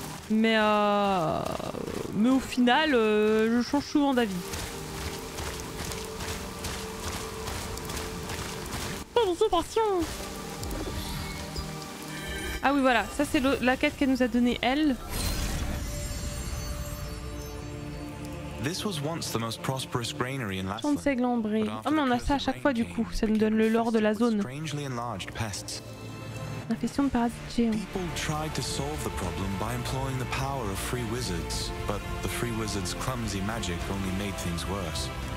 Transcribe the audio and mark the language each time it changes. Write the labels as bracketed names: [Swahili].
[French] Mais au final, je change souvent d'avis. Ah oui voilà, ça c'est la quête qu'elle nous a donnée elle. [English] This was once the most prosperous granary in Lastland. [French] On sait Glambray. Oh mais on a ça à chaque fois du coup, ça nous donne le lore de la zone. Infestation de parasites géants. [English] People tried to solve the problem by employing the power of free wizards, but the free wizards' clumsy magic only made things worse.